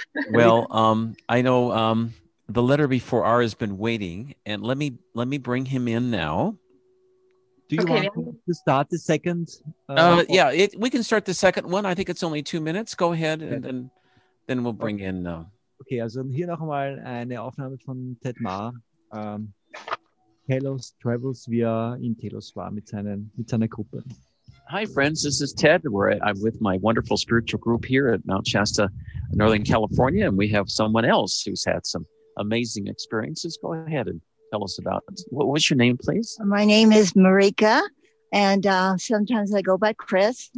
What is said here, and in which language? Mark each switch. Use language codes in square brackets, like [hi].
[en] Well, I know the letter before R has been waiting, and let me bring him in now. Do you want to start the second? We can start the second one. I think it's only 2 minutes. Go ahead, and then we'll bring in... [de] Okay, also hier nochmal eine Aufnahme von Ted Marr. Telos travels via in Telos war mit seiner Gruppe. [en] Hi friends, this is Ted. I'm with my wonderful spiritual group here at Mount Shasta, Northern California, and we have someone else who's had some amazing experiences. Go ahead and tell us about it. What's your name, please? My name is Marika, and sometimes I go by Chris.